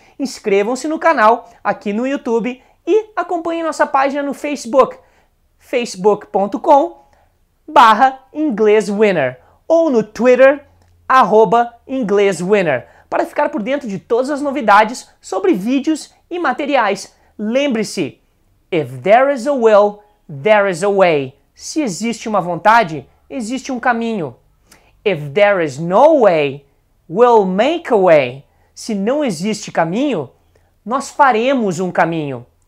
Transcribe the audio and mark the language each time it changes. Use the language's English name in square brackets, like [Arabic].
[Portuguese] Inscrevam-se no canal aqui no YouTube e acompanhem nossa página no Facebook, facebook.com/inglêswinner, ou no Twitter, @inglêswinner, para ficar por dentro de todas as novidades sobre vídeos e materiais. Lembre-se, [English] if there is a will, there is a way. [Portuguese] Se existe uma vontade, existe um caminho. [English] If there is no way, we'll make a way. [Portuguese] Se não existe caminho, nós faremos um caminho.